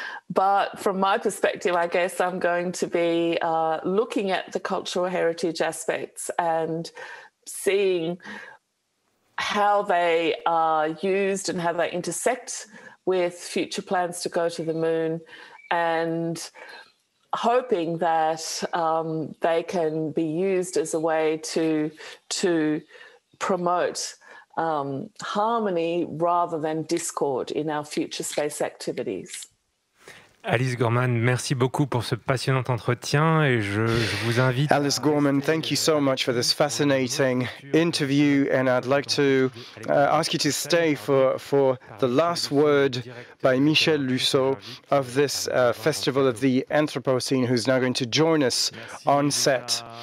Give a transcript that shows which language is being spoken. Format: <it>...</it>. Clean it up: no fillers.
<en>But from my perspective, I guess I'm going to be looking at the cultural heritage aspects and seeing how they are used and how they intersect with future plans to go to the moon, and hoping that they can be used as a way to promote harmony rather than discord in our future space activities.</en> <fr>Alice Gorman, merci beaucoup pour ce passionnant entretien et je vous invite.</fr> <en>Alice Gorman, thank you so much for this fascinating interview, and I'd like to ask you to stay for the last word by Michel Lusseau of this festival of the Anthropocene, who's now going to join us on set.</en>